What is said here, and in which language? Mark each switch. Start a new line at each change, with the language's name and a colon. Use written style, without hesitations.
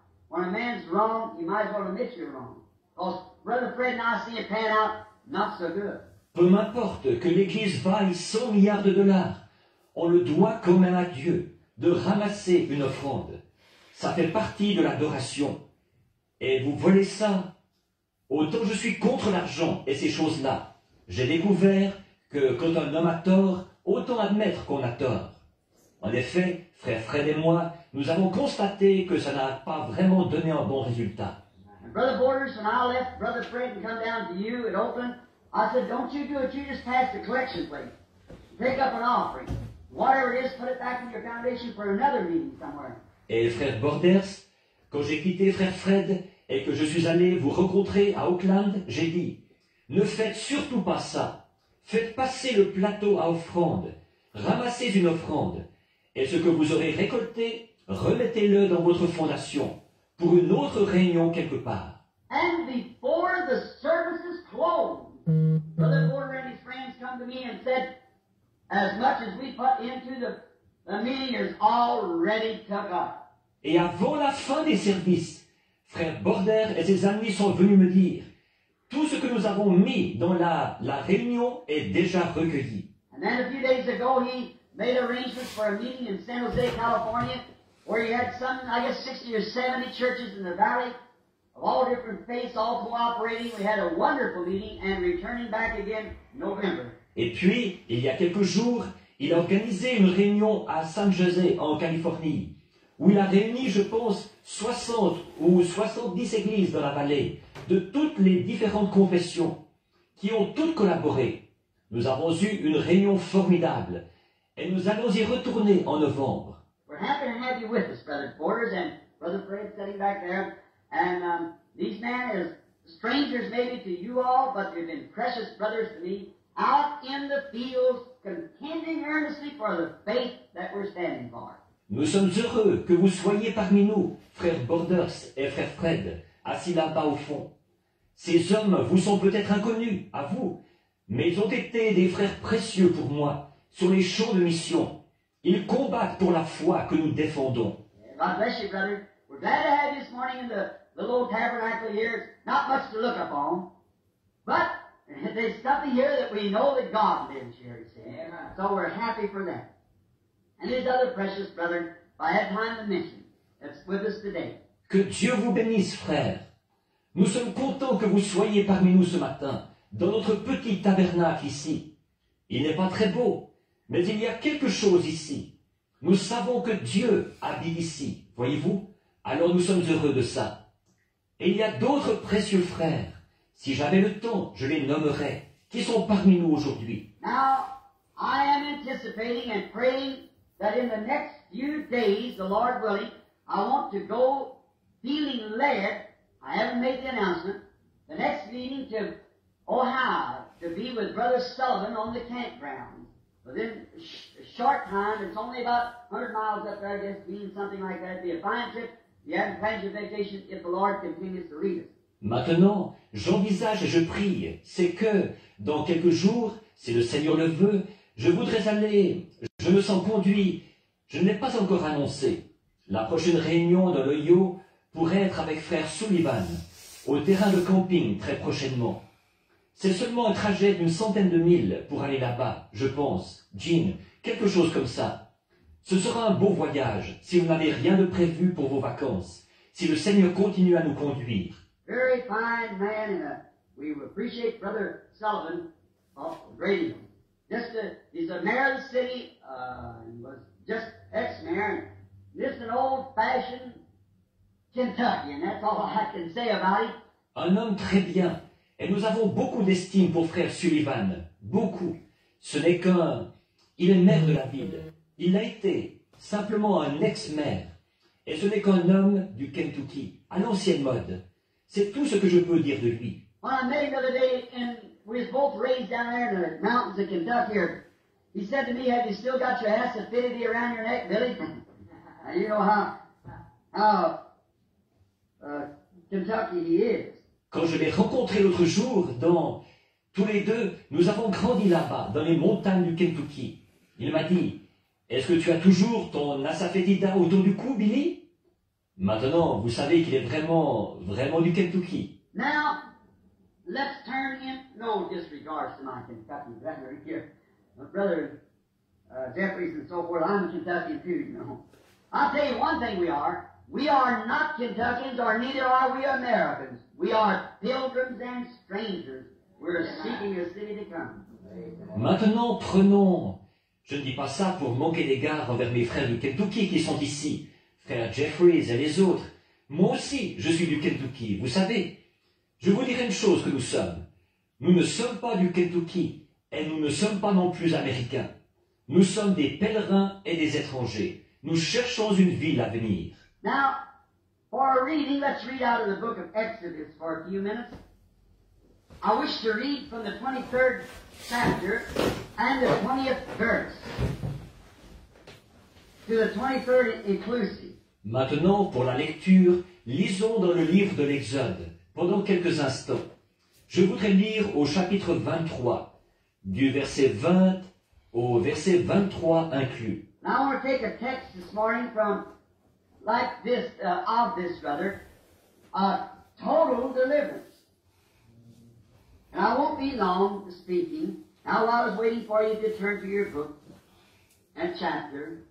English: when a man's wrong, he might as well admit you're wrong. Because Brother Fred and I see it pan out not so good.
French: Peu m'importe que l'Église vaille 100 milliards de dollars, on le doit quand même à Dieu de ramasser une offrande. Ça fait partie de l'adoration. Et vous volez ça. Autant je suis contre l'argent et ces choses-là. J'ai découvert que quand un homme a tort, autant admettre qu'on a tort. En effet, frère Fred et moi, nous avons constaté que ça n'a pas vraiment donné un bon résultat.
English: Brother Borders, when I left Brother Fred and come down to you at Oakland, I said, don't you do it, you just pass the collection plate. Take up an offering. Whatever it is, put it back in your foundation for another meeting somewhere.
French: Et frère Borders, quand j'ai quitté frère Fred et que je suis allé vous rencontrer à Oakland, j'ai dit, ne faites surtout pas ça. Faites passer le plateau à offrande. Ramassez une offrande. Et ce que vous aurez récolté, remettez-le dans votre fondation pour une autre réunion quelque part.
English: And before the service is closed, Brother Porter and his friends come to me and said, as much as we put into the meeting is already took up.
French: Et avant la fin des services, frère Border et ses amis sont venus me dire, tout ce que nous avons mis dans la réunion est déjà recueilli.
English: And then a few days ago, he made arrangements for a meeting in San Jose, California, where he had some, I guess, 60 or 70 churches in the valley of all different faiths, all cooperating. We had a wonderful meeting and returning back again November.
French: Et puis, il y a quelques jours, il a organisé une réunion à San Jose, en Californie, où il a réuni, je pense, 60 ou 70 églises dans la vallée de toutes les différentes confessions qui ont toutes collaboré. Nous avons eu une réunion formidable. Et nous allons y retourner en novembre.
English: We're happy to have you with us, Brother Borders, and Brother Fred sitting back there. And these men are strangers maybe to you all, but they've been precious brothers to me, out in the fields, contending earnestly for the faith that we're standing for.
French: Nous sommes heureux que vous soyez parmi nous, frère Borders et frère Fred, assis là-bas au fond. Ces hommes vous sont peut-être inconnus, à vous, mais ils ont été des frères précieux pour moi, sur les champs de mission. Ils combattent pour la foi que nous défendons.
English: God bless you, brother. We're glad to have you this morning in the little tabernacle here. It's not much to look upon. But there's something here that we know that God lives here, you see. So we're happy for that. And his other precious brother, if I had time to mention, that's with us today.
French: Que Dieu vous bénisse, frère. Nous sommes contents que vous soyez parmi nous ce matin, dans notre petit tabernacle ici. Il n'est pas très beau, mais il y a quelque chose ici. Nous savons que Dieu habite ici, voyez-vous? Alors nous sommes heureux de ça. Et il y a d'autres précieux frères, si j'avais le temps, je les nommerais, qui sont parmi nous aujourd'hui.
English: Now, I am anticipating and praying that in the next few days, the Lord willing, I want to go feeling led, I haven't made the announcement, the next meeting to Ohio, to be with Brother Sullivan on the campground. Within a short time, it's only about 100 miles up there, I guess, being something like that. It'd be a fine trip. You haven't planned your vacation if the Lord continues to lead us.
French: Maintenant, j'envisage et je prie. C'est que, dans quelques jours, si le Seigneur le veut, je voudrais aller. Je me sens conduit. Je ne l'ai pas encore annoncé. La prochaine réunion de l'Ohio pourrait être avec frère Sullivan, au terrain de camping très prochainement. C'est seulement un trajet d'une centaine de milles pour aller là-bas, je pense, Jean, quelque chose comme ça. Ce sera un beau voyage si vous n'avez rien de prévu pour vos vacances, si le Seigneur continue à nous conduire.
English: Very fine man, and we appreciate Brother Sullivan of Radio. Just a, he's a mayor of the city, was just ex-mayor, and just an old-fashioned Kentuckian, that's all I can say about it.
French: Un homme très bien. Et nous avons beaucoup d'estime pour frère Sullivan, beaucoup. Ce n'est qu'un... Il est maire de la ville. Il a été simplement un ex-maire. Et ce n'est qu'un homme du Kentucky, à l'ancienne mode. C'est tout ce que je peux dire de lui.
English: When I met him the other day, and we were both raised down there in the mountains of Kentucky, he said to me, have you still got your ass affinity around your neck, Billy? You know how Kentucky he is.
French: Quand je l'ai rencontré l'autre jour, dans tous les deux, nous avons grandi là-bas, dans les montagnes du Kentucky. Il m'a dit, est-ce que tu as toujours ton asafoetida autour du cou, Billy? Maintenant, vous savez qu'il est vraiment, vraiment du Kentucky.
English: Now, let's turn in, no disregards to my Kentucky brother here. My brother, Jeffries and so forth, I'm Kentucky too, you know. I'll tell you one thing we are. We are not Kentuckians, or neither are we Americans. We are pilgrims and strangers. We're seeking a city to come.
French: Maintenant, prenons. Je ne dis pas ça pour manquer d'égard envers mes frères du Kentucky qui sont ici, frère Jeffries et les autres. Moi aussi, je suis du Kentucky, vous savez. Je vous dirai une chose que nous sommes. Nous ne sommes pas du Kentucky, et nous ne sommes pas non plus Américains. Nous sommes des pèlerins et des étrangers. Nous cherchons une ville à venir.
English: Now, for a reading, let's read out of the book of Exodus for a few minutes. I wish to read from the 23rd chapter and the 20th verse to the 23rd inclusive.
French: Maintenant, pour la lecture, lisons dans le livre de l'Exode pendant quelques instants. Je voudrais lire au chapitre 23, du verset 20 au verset 23 inclus.
English: Now, I want to take a text this morning from... Like this, of this brother, a total deliverance. And I won't be long speaking. Now, while I was waiting for you to turn to your book and chapter.